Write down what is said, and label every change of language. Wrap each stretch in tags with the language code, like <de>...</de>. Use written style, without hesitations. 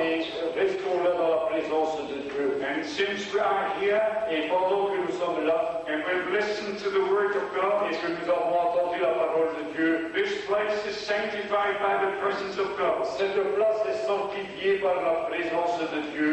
<fr>et restons-le dans la présence de Dieu.</fr> <en>And since we are here,</en> <fr>et pendant que nous sommes là,</fr> <en>and we've listened to the word of God,</en> <fr>et que nous avons entendu la parole de Dieu,</fr> <en>this place is sanctified by the presence of God.</en> <fr>Cette place est sanctifiée par la présence de Dieu.</fr>